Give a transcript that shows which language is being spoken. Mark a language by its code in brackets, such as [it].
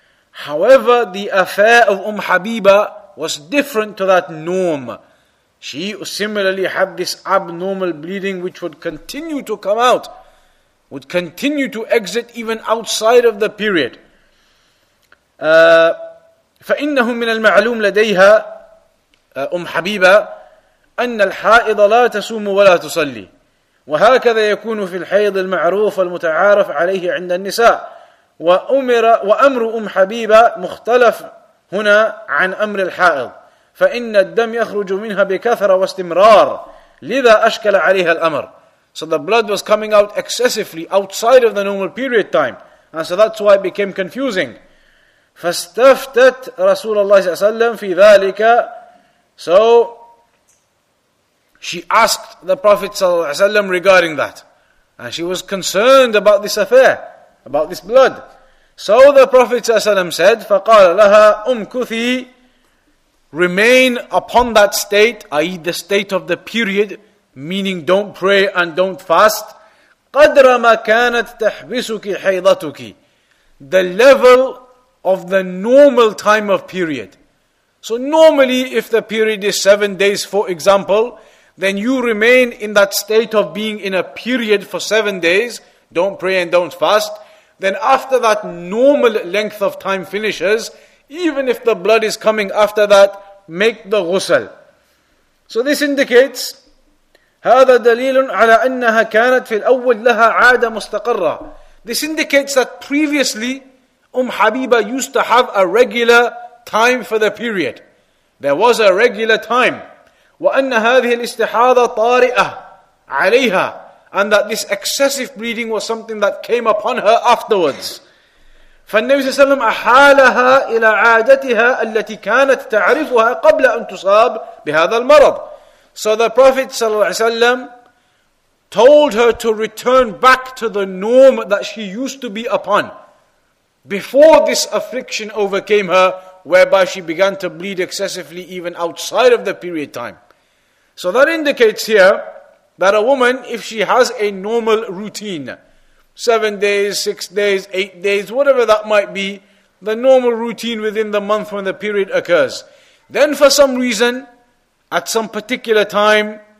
[en] However, the affair of Habiba was different to that norm. She similarly had this abnormal bleeding which would continue to come out, would continue to exit even outside of the period. [ar] فَإِنَّهُ مِنَ الْمَعْلُومِ لَدَيْهَا Habiba أَنَّ الْحَائِضَ لَا تَسُومُ وَلَا تُصَلِّي وهكذا يكون في الحيض المعروف والمتعارف عليه عند النساء وأمر حبيبة مختلف هنا عن أمر الحائض فإن الدم يخرج منها بكثرة واستمرار لذا أشكل عليها الأمر. [en] So the blood was coming out excessively outside of the normal period time, and so that's why it became confusing. [ar] فاستفتت رسول الله صلى الله عليه وسلم في ذلك. [en] So she asked the Prophet ﷺ regarding that. And she was concerned about this affair, about this blood. So the Prophet ﷺ said, [ar] فَقَالَ لَهَا أُمْكُثِي [en] remain upon that state, i.e. the state of the period, meaning don't pray and don't fast, [ar] قَدْرَ مَا كَانَتْ تَحْبِسُكِ حَيْضَتُكِ, [en] the level of the normal time of period. So normally, if the period is 7 days, for example, then you remain in that state of being in a period for 7 days, don't pray and don't fast. Then after that normal length of time finishes, even if the blood is coming after that, make the ghusl. So this indicates, [ar] هذا دليل على أنها كانت في الأول لها عادة مستقرة. [en] This indicates that previously, Habiba used to have a regular time for the period. There was a regular time. [ar] وأن هذه الاستحاضة طارئة عليها, [en] and that this excessive bleeding was something that came upon her afterwards. [ar] فالنبي صلى الله عليه وسلم أحالها إلى عادتها التي كانت تعرفها قبل أن تصاب بهذا المرض. [en] So the Prophet صلى الله عليه وسلم told her to return back to the norm that she used to be upon before this affliction overcame her, whereby she began to bleed excessively even outside of the period time. So that indicates here that a woman, if she has a normal routine, 7 days, 6 days, 8 days, whatever that might be, the normal routine within the month when the period occurs, then for some reason, at some particular time